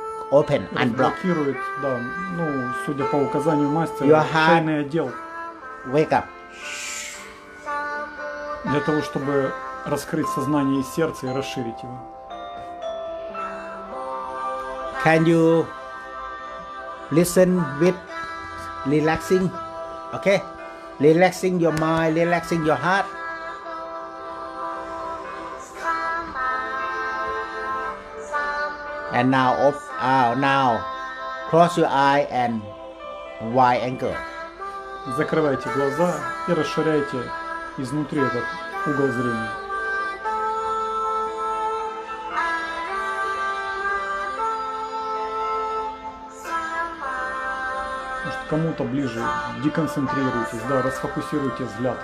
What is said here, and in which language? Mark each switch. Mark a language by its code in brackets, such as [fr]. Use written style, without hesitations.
[ru] Разблокирует, да, ну, судя по указанию мастера, шейный отдел. [en] Wake up. [ru] Для того, чтобы раскрыть сознание и сердце и расширить его. [en] Can you listen with relaxing? Okay? Relaxing your mind, relaxing your heart. And now now cross your eye and wide angle. [ru] Закрывайте глаза и расширяйте изнутри этот угол зрения. Может, кому-то ближе деконцентрируйтесь, да, расфокусируйте взгляд.